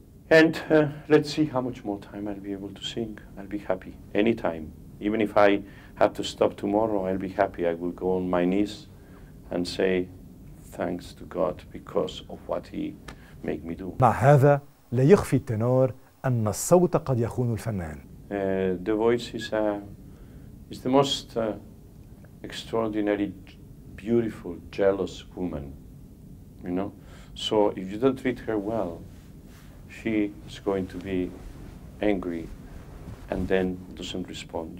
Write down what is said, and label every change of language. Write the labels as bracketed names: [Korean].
[English] And let's see how much more time I'll be able to sing. I'll be happy anytime. Even if I have to stop tomorrow, I'll be happy. I will go on my knees and say thanks to God because of what he made me do. [Arabic] مع هذا لا يخفي التنور أن الصوت قد يخون الفنان. [English] The voice is the most extraordinary, beautiful, jealous woman, you know. So if you don't treat her well, she is going to be angry and then doesn't respond.